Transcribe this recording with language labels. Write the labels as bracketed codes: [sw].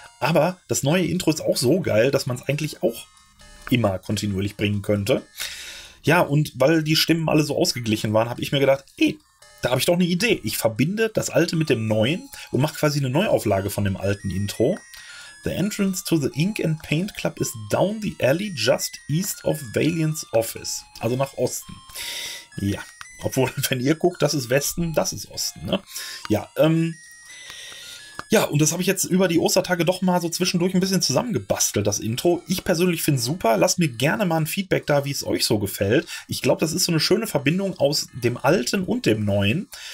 [de] Aber das neue Intro ist auch so geil, dass man es eigentlich auch immer kontinuierlich bringen könnte. Ja, und weil die Stimmen alle so ausgeglichen waren, habe ich mir gedacht, ey, da habe ich doch eine Idee. Ich verbinde das Alte mit dem Neuen und mache quasi eine Neuauflage von dem alten Intro. [en] The entrance to the Ink and Paint Club is down the alley just east of Valiants Office. [de] Also nach Osten. Ja, obwohl, wenn ihr guckt, das ist Westen, das ist Osten, ne? Ja, und das habe ich jetzt über die Ostertage doch mal so zwischendurch ein bisschen zusammengebastelt, das Intro. Ich persönlich finde es super. Lasst mir gerne mal ein Feedback da, wie es euch so gefällt. Ich glaube, das ist so eine schöne Verbindung aus dem Alten und dem Neuen.